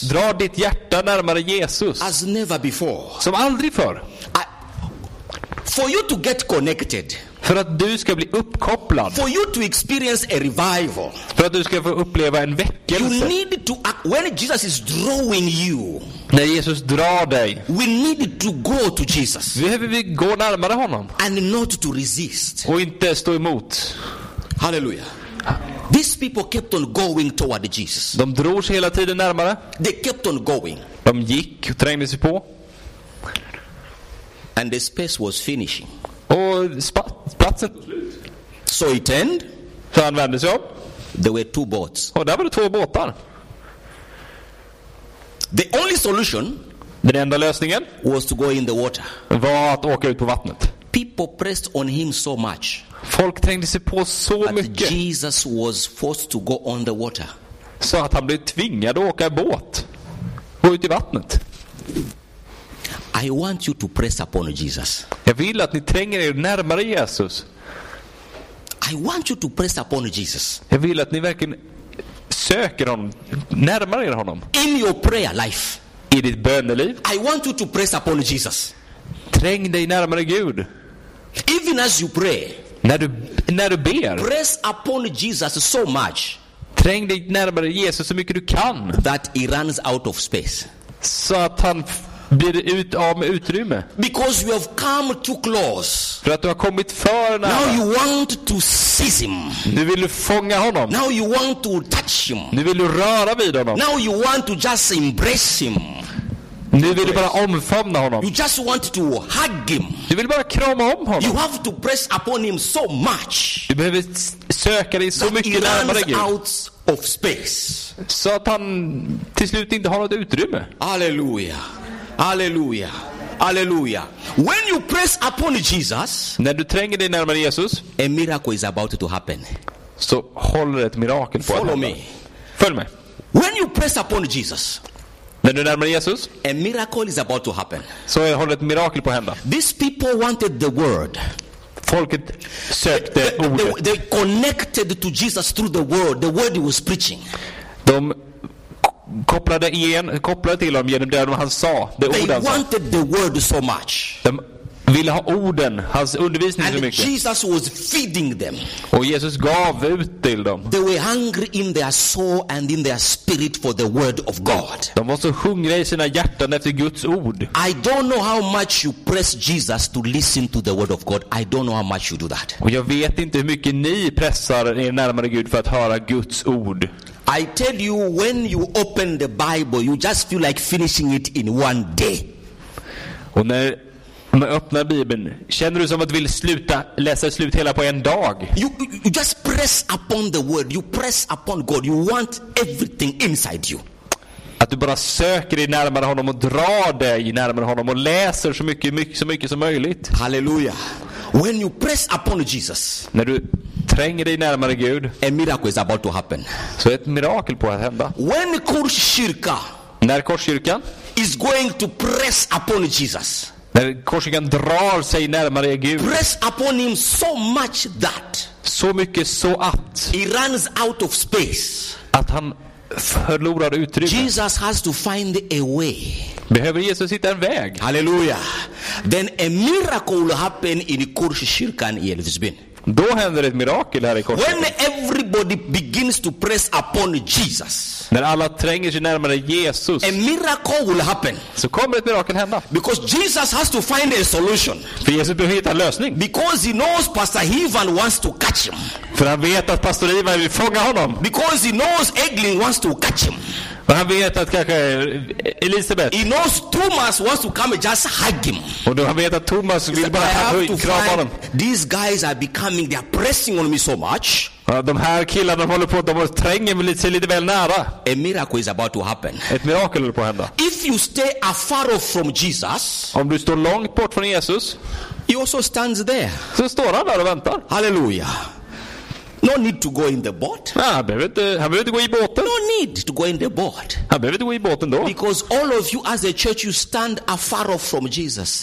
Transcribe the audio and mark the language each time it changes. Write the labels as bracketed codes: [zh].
[sv] drar ditt hjärta närmare Jesus, [en] as never before, [sv] som aldrig förr. [en] For you to get connected, [sv] för att du ska bli uppkopplad, [en] for you to experience a revival, [sv] för att du ska få uppleva en väckelse, [en] you need to, when Jesus is drawing you, [sv] när Jesus drar dig, [en] we need to go to Jesus, [sv] behöver vi gå närmare honom, [en] and not to resist, [sv] och inte stå emot. [en] Halleluja. These people kept on going toward Jesus. [sv] De drog sig hela tiden närmare. [en] They kept on going. [sv] De gick och trängde sig på. [en] And the space was finishing. [sv] Och platsen var slut. [en] So it end. [sv] Så han vände sig om. [en] There were two boats. [sv] Och där var det två båtar. [en] The only solution, [sv] den enda lösningen, [en] was to go in the water. [sv] Var att åka ut på vattnet. [en] People pressed on him so much. [sv] Folk trängde sig på så mycket. [en] That Jesus was forced to go on the water. [sv] Så att han blev tvingad att åka i båt. Gå ut i vattnet. [en] I want you to press upon Jesus. [sv] Jag vill att ni tränger er närmare Jesus. [en] I want you to press upon Jesus. [sv] Jag vill att ni verkligen söker honom, närmare er honom. [en] In your prayer life. [sv] I ditt böneliv. [en] I want you to press upon Jesus. [sv] Träng dig närmare Gud. [en] Even as you pray. [sv] När du ber. [en] Press upon Jesus so much. [sv] Träng dig närmare Jesus så mycket du kan. [en] That he runs out of space. [sv] Så att han blir ut av med utrymme. [en] Because you have come too close. [sv] För att du har kommit för nära. [en] Now you want to seize him. [sv] Nu vill du fånga honom. [en] Now you want to touch him. [sv] Nu vill du röra vid honom. [en] Now you want to just embrace him. [sv] Nu vill du bara omfamna honom. [en] You just want to hug him. [sv] Du vill bara krama om honom. [en] You have to press upon him so much. [sv] Du behöver söka dig så mycket närmare Gud. [en] Out of space. [sv] Så att han till slut inte har något utrymme. Halleluja. Halleluja. Halleluja. [en] When you press upon Jesus, [sv] när du tränger dig närmare Jesus, [en] a miracle is about to happen. [sv] Så håller ett mirakel på. [en] Follow [sv] att [en] me. [sv] Följ mig. [en] When you press upon Jesus, [sv] när du närmar dig Jesus, [en] a miracle is about to happen. [sv] Så håller ett mirakel på att hända. [en] These people wanted the word. [sv] Folket sökte ordet. [en] They connected to Jesus through the word he was preaching. [sv] De kopplade till dem genom det han sa, det [en] they [sv] ordet [en] wanted the word so much. [sv] De ville ha orden, hans undervisning, [en] and [sv] så mycket. [en] Jesus was feeding them. [sv] Och Jesus gav ut till dem. [en] They were hungry in their soul and in their spirit for the word of God. [sv] De var så hungriga i sina hjärtan efter Guds ord. [en] I don't know how much you press Jesus to listen to the word of God. I don't know how much you do that. [sv] Och jag vet inte hur mycket ni pressar er närmare Gud för att höra Guds ord. [en] I tell you, when you open the Bible, you just feel like finishing it in one day. [sv] Och när man öppnar Bibeln, känner du som att du vill sluta läsa slut hela på en dag? [en] You just press upon the word, you press upon God, you want everything inside you. [sv] Att du bara söker dig närmare honom och drar dig närmare honom och läser så mycket som möjligt. [en] Halleluja. When you press upon Jesus, [sv] när du tränger dig närmare Gud, [en] a miracle is about to happen. [sv] Så ett mirakel på att hända. [en] When Korskyrka, [sv] när Korskyrkan [en] is going to press upon Jesus. [sv] När korsningen drar sig närmare Gud. [en] Press upon him so much that. [sv] Så mycket så att. [en] He runs out of space. [sv] Att han förlorar utrymme. [en] Jesus has to find a way. [sv] Behöver Jesus hitta en väg? [en] Halleluja. Then a miracle happened in Korskyrkan i Elvsbyn. [sv] Då händer ett mirakel här i Korskyrkan. [en] When everybody begins to press upon Jesus. [sv] När alla tränger sig närmare Jesus. [en] A miracle will happen. [sv] Så kommer ett mirakel hända. [en] Because Jesus has to find a solution. [sv] För Jesus behöver hitta en lösning. [en] Because he knows Pastor Ivan wants to catch him. [sv] För han vet att Pastor Ivan vill fånga honom. [en] Because he knows Eglin wants to catch him. [sv] Och han vet att kanske Elisabeth. [en] He knows Thomas wants to come and just hug him. [sv] Och då han vet att Thomas vill bara krama honom. [en] These guys are becoming, they are pressing on me so much. [sv] De här killarna håller på, de tränger mig lite, lite väl nära. [en] A miracle is about to happen. [sv] Ett mirakel är på att hända. [en] If you stay afar off from Jesus. [sv] Om du står långt bort från Jesus. [en] He also stands there. [sv] Så står han där och väntar. [en] Halleluja. No need to go in the boat. [sv] Han behöver inte gå i båten. [en] No need to go in the boat. [sv] Han behöver inte gå i båten då. [en] Because all of you as a church, you stand afar off from Jesus.